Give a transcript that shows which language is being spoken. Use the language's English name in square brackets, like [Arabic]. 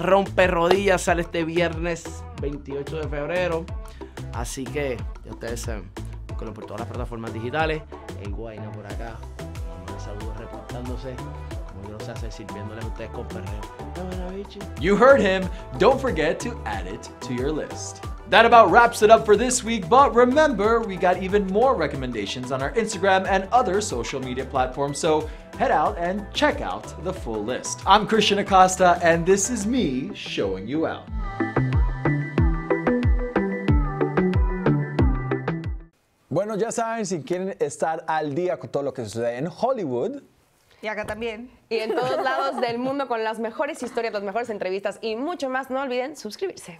[Spanish] Rompe Rodilla sale este viernes 28 de febrero. Así que, ya ustedes saben, búscalo por todas las plataformas digitales. El Guayna por acá. Un saludo reportándose. Como yo lo sé hacer, sirviéndole a ustedes con perreo. [English] You heard him. Don't forget to add it to your list. That about wraps it up for this week, but remember, we got even more recommendations on our Instagram and other social media platforms, so head out and check out the full list. I'm Christian Acosta, and this is me showing you out. [Spanish] Bueno, ya saben, si quieren estar al día con todo lo que sucede en Hollywood, y acá también. Y en todos lados del mundo con las mejores historias, las mejores entrevistas y mucho más, no olviden suscribirse.